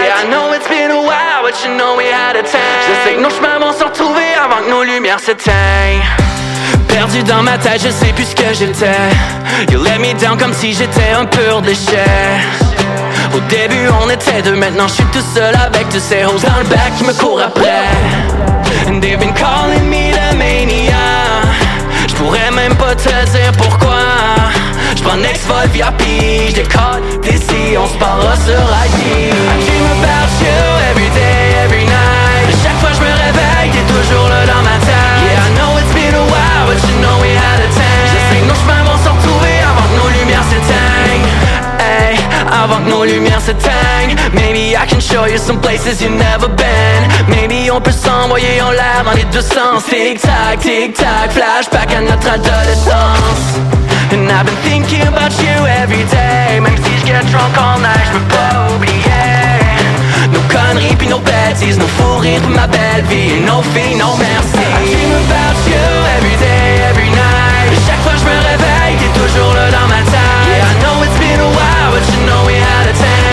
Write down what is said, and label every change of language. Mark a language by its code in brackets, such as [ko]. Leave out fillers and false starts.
[en] know it's been a while, but you know we had a time. [fr] Je sais que nos chemins vont se retrouver avant que nos lumières s'éteignent. Perdu dans ma tête, je sais plus ce que j'étais. [en] You let me down [fr] comme si j'étais un pur déchet. Au début on était deux, maintenant je suis tout seul avec tous ces hoes dans le bac qui me courent après. [en] And they've been calling me the mania. [fr] Je pourrais même pas te dire pourquoi. Je prends next vol VIP, je décolle d'ici, on se parlera sur IG. [en] I dream about you every day, every night. [fr] Et chaque fois je me réveille, t'es toujours là dans ma tête. [en] Yeah, I know it's been a while, but you know we had a time. [fr] Je sais que nos chemins vont se retrouver avant que nos lumières s'éteignent. Hey, avant que nos lumières s'éteignent. [en] Maybe I can show you some places you've never been. [fr] Maybe on peut s'envoyer en l'air dans les deux sens. Tic-tac, tic-tac, flashback à notre adolescence. [en] And I've been thinking about you every day. [fr] Même si je [en] get drunk all night, [fr] j'peux pas oublier. Nos conneries pis nos bêtises, nos fous rires pour ma belle vie. Et nos filles, non merci. [en] I dream about you every day, every night. [fr] Et chaque fois j'me réveille, t'es toujours là dans ma tête. [en] Yeah, I know it's been a while, but you know we had a time.